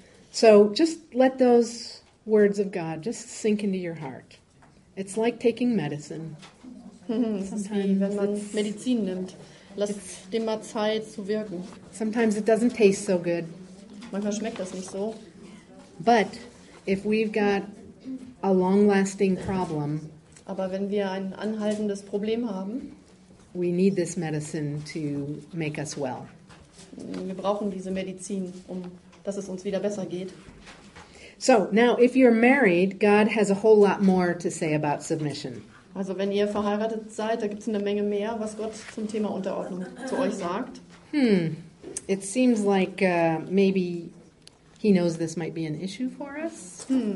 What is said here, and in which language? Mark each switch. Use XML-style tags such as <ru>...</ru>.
<en>So just let those words of God just sink into your heart. It's like taking medicine. Sometimes</en> <de>wenn man Medizin nimmt, lasst dem mal Zeit zu wirken.</de> <en>Sometimes it doesn't taste so good.</en> <de>Manchmal schmeckt das nicht so.</de> <en>But if we've got a long-lasting problem,</en> <de>aber wenn wir ein anhaltendes Problem haben,</de> <en>we need this medicine to make us well.</en> <de>Wir brauchen diese Medizin, um dass es uns wieder besser geht.</de> <en>So, now, if you're married, God has a whole lot more to say about submission.</en> <de>Also, wenn ihr verheiratet seid, da gibt's eine Menge mehr, was Gott zum Thema Unterordnung zu euch sagt.</de> <en>It seems like maybe he knows this might be an issue for us.</en>